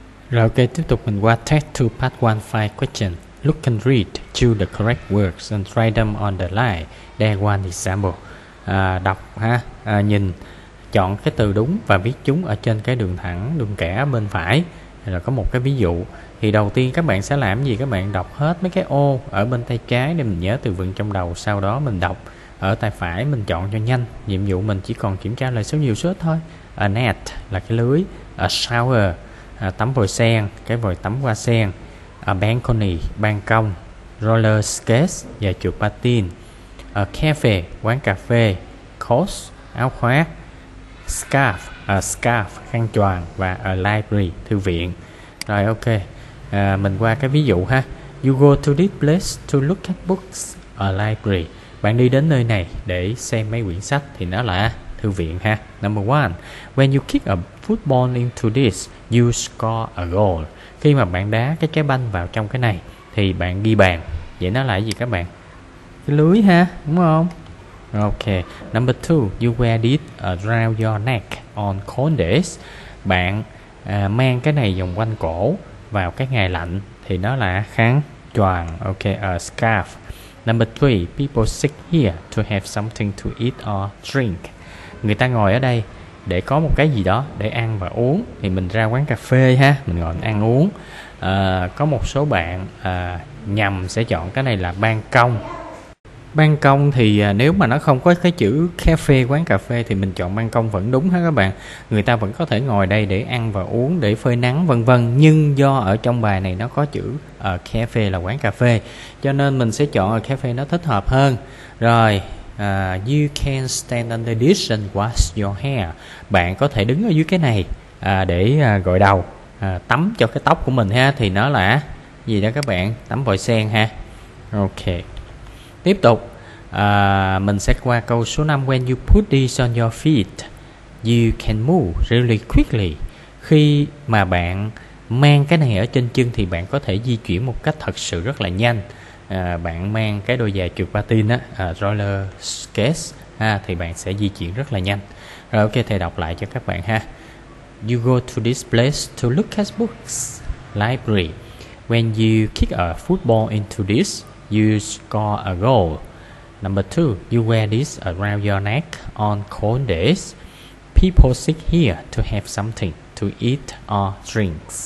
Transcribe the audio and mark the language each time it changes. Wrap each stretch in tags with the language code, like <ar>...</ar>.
<vi>Rồi ok, tiếp tục mình qua test 2 part 1 5 question.</vi> <en>Look and read, choose the correct words and write them on the line. There one example.</en> <vi>Đọc ha, nhìn, chọn cái từ đúng và viết chúng ở trên cái đường thẳng, đường kẻ bên phải. Rồi có một cái ví dụ. Thì đầu tiên các bạn sẽ làm gì? Các bạn đọc hết mấy cái ô ở bên tay trái để mình nhớ từ vựng trong đầu. Sau đó mình đọc ở tay phải, mình chọn cho nhanh. Nhiệm vụ mình chỉ còn kiểm tra lại số nhiều số thôi.</vi> <en>A net</en> <vi>là cái lưới.</vi> <en>A shower,</en> <vi>tắm vòi sen, cái vòi tắm hoa sen.</vi> <en>A balcony,</en> <vi>ban công.</vi> <en>Roller skates,</en> <vi>giày chuột patin.</vi> <en>A cafe,</en> <vi>quán cà phê.</vi> <en>Coat,</en> <vi>áo khoác.</vi> <en>Scarf, a scarf,</en> <vi>khăn choàng. Và</vi> <en>a library,</en> <vi>thư viện. Rồi ok, mình qua cái ví dụ ha.</vi> <en>You go to this place to look at books, a library.</en> <vi>Bạn đi đến nơi này để xem mấy quyển sách thì nó là thư viện ha.</vi> <en>Number one, when you kick a football into this, you score a goal.</en> <vi>Khi mà bạn đá cái trái banh vào trong cái này thì bạn ghi bàn. Vậy nó là cái gì các bạn? Cái lưới ha, đúng không?</vi> <en>Ok, number two, you wear this around your neck on cold days.</en> <vi>Bạn mang cái này vòng quanh cổ vào cái ngày lạnh thì nó là khăn choàng. Ok,</vi> <en>a scarf. Number three, people sit here to have something to eat or drink.</en> <vi>Người ta ngồi ở đây để có một cái gì đó để ăn và uống. Thì mình ra quán cà phê ha, mình ngồi ăn uống. Có một số bạn nhầm sẽ chọn cái này là ban công. Ban công thì nếu mà nó không có cái chữ cafe, quán cà phê, thì mình chọn ban công vẫn đúng ha các bạn. Người ta vẫn có thể ngồi đây để ăn và uống, để phơi nắng vân vân. Nhưng do ở trong bài này nó có chữ cafe là quán cà phê, cho nên mình sẽ chọn cafe nó thích hợp hơn.</vi> <en>Rồi, you can stand under this and wash your hair.</en> <vi>Bạn có thể đứng ở dưới cái này để gội đầu, tắm cho cái tóc của mình ha. Thì nó là gì đó các bạn? Tắm vòi sen ha. Ok, tiếp tục, mình sẽ qua câu số 5.</vi> <en>When you put this on your feet, you can move really quickly.</en> <vi>Khi mà bạn mang cái này ở trên chân thì bạn có thể di chuyển một cách thật sự rất là nhanh. Bạn mang cái đôi giày trượt patin á, roller skates ha, thì bạn sẽ di chuyển rất là nhanh. Rồi ok, thầy đọc lại cho các bạn ha.</vi> <en>You go to this place to look at books, library. When you kick a football into this, you score a goal. Number two, you wear this around your neck on cold days. People sit here to have something to eat or drink.</en>